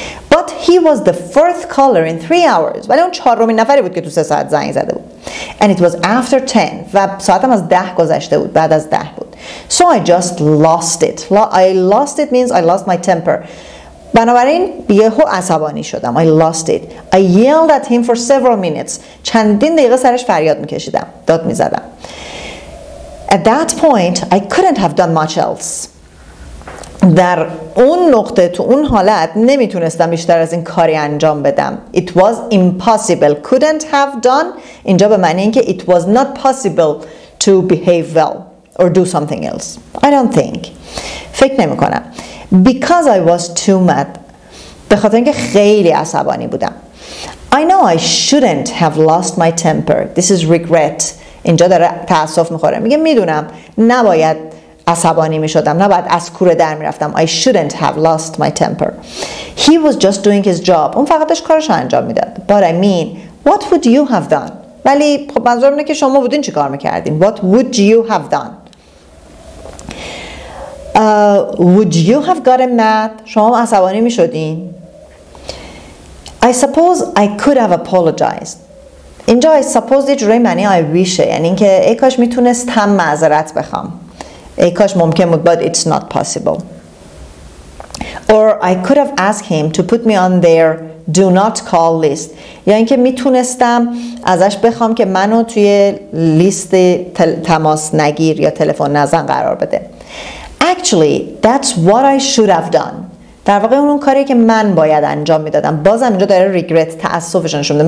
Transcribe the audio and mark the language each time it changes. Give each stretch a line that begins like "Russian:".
English: But he was the fourth caller in 3 hours.
Persian: ولی اون چهارمین نفری بود که تو 3 ساعت زنگ زده بود.
English: And it was after 10.
Persian: و ساعتم از 10 گذشته بود. بعد از 10 بود.
English: So I just lost it. I lost it means I lost my temper.
Persian: بنابراین یهو عصبانی شدم.
English: I lost it. I yelled at him for several minutes.
Persian: چندین دقیقه سرش فریاد میکشیدم. داد میزدم.
English: At that point, I couldn't have done much else.
Persian: در اون نقطه، تو اون حالت، نمیتونستم بیشتر از این کاری انجام بدم.
English: It was impossible. Couldn't have done.
Persian: اینجا به معنی اینکه
English: it was not possible to behave well or do something else. I don't think.
Persian: فکر نمیکنم.
English: Because I was too mad.
Persian: به خاطر اینکه خیلی عصبانی بودم.
English: I know I shouldn't have lost my temper. This is regret.
Persian: اینجا داره تأسف میخوره. میگه میدونم نباید عصبانی میشدم. نباید از کوره در میرفتم.
English: I shouldn't have lost my temper. He was just doing his job.
Persian: اون فقط داشت کارش انجام میداد.
English: But I mean, what would you have done?
Persian: ولی خب منظورم اینه که شما بودین چی کار میکردین.
English: What would you have done? Would you have gotten mad?
Persian: شما عصبانی می شدین؟
English: I suppose I could have apologized.
Persian: اینجا
English: I suppose
Persian: یه جوره معنی
English: I wish.
Persian: یعنی این که ای کاش می تونستم معذرت بخوام. ای کاش ممکن بود.
English: But it's not possible. Or I could have asked him to put me on their do not call list.
Persian: یا یعنی که می تونستم ازش بخوام که منو توی لیست تماس نگیر یا تلفن نزن قرار بده.
English: Actually, that's what I should have done.
Persian: در واقع اون کاری که من باید انجام میدادم. بازم اینجا داره regret، تأسفش نشون میده.